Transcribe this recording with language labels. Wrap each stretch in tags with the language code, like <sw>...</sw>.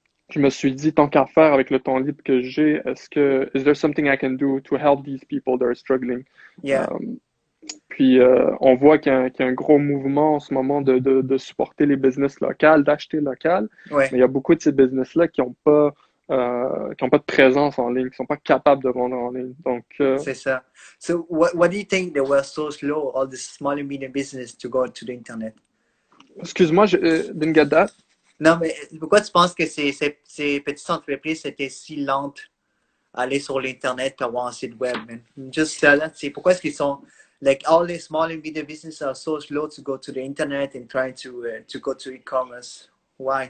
<fr>Je me suis dit, tant qu'à faire avec le temps libre que j'ai,</fr> <en>is there something I can do to help these people that are struggling? Yeah.</en> <fr>Puis, on voit qu'il y a un gros mouvement en ce moment de supporter les business locales, d'acheter local, mais il Ouais. y a beaucoup de ces business-là qui n'ont pas de présence en ligne, qui sont pas capables de vendre en ligne. Donc, C'est ça.</fr> <en>So, what do you think they were so slow, all the small and medium business, to go to the internet? excuse-moi, didn't get that.</en> <fr>Non, mais pourquoi tu penses que ces petites entreprises étaient si lentes à aller sur l'Internet, avoir un site web, man? Juste ça, c'est pourquoi est-ce qu'ils sont,</fr> <en>like, all the small and medium business are so slow to go to the Internet and try to go to e-commerce? Why?</en>